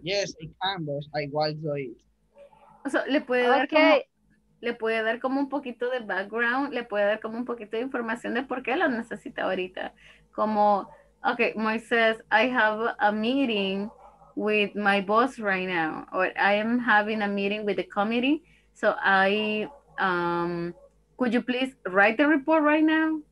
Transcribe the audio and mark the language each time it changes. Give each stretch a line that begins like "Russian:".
English: Yes, I can, but I want to do it.
Spanish: So, ¿le puede dar que okay. Le puede dar como un poquito de background, le puede dar como un poquito de información de por qué lo necesita ahorita. Como,
English: okay, Moises, I have a meeting with my boss right now, or I am having a meeting with the committee, so I, could you please write the report right now?